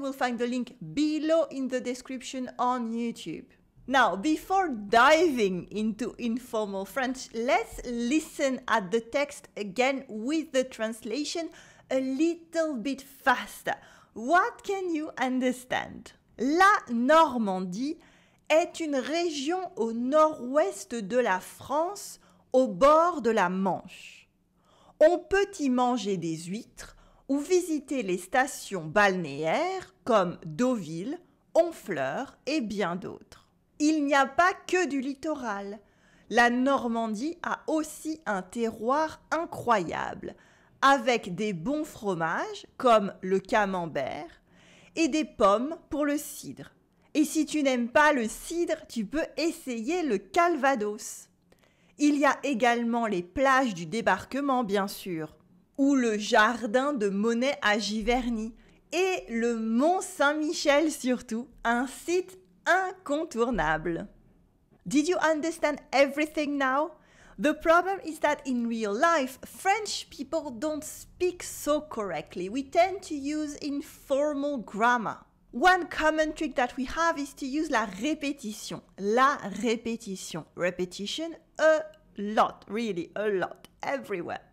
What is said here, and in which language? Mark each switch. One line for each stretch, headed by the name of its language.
English: You will find the link below in the description on YouTube. Now, before diving into informal French, let's listen at the text again with the translation a little bit faster. What can you understand?
French: La Normandie est une région au nord-ouest de la France, au bord de la Manche. On peut y manger des huîtres ou visiter les stations balnéaires comme Deauville, Honfleur et bien d'autres. Il n'y a pas que du littoral. La Normandie a aussi un terroir incroyable, avec des bons fromages comme le camembert et des pommes pour le cidre. Et si tu n'aimes pas le cidre, tu peux essayer le calvados. Il y a également les plages du débarquement, bien sûr, ou le jardin de Monet à Giverny, et le Mont Saint-Michel surtout, un site incontournable.
English: Did you understand everything now? The problem is that in real life, French people don't speak so correctly. We tend to use informal grammar. One common trick that we have is to use la répétition. La répétition. Repetition a lot, really, a lot, everywhere.